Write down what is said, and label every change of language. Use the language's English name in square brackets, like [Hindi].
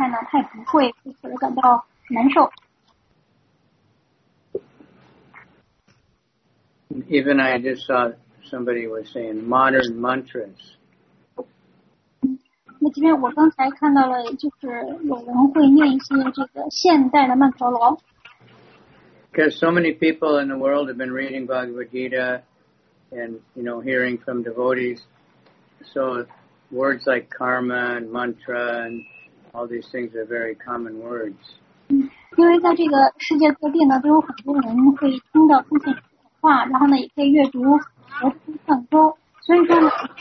[Chinese] 所以，作为一个有灵性智慧的人呢，处在灵性中的人呢，他就不会被他所处在的各种各样的状态所打扰。无论是他处在一个喜乐的状态，他也不会去起伏。那么，对于一个他所处在的痛苦的状态呢，他也不会有所感到难受。 [English] Even I just saw somebody was saying modern mantras. [Chinese] 那即便我刚才看到了，就是有人会念一些这个现代的曼陀罗。 [English] Because so many people in the world have been reading Bhagavad Gita, and you know, hearing from devotees, so words like karma and mantra and all these things are very common words. [Chinese] 因为在这个世界各地呢，都有很多人会听到奉献的话，然后呢，也可以阅读佛经上说，所以说呢。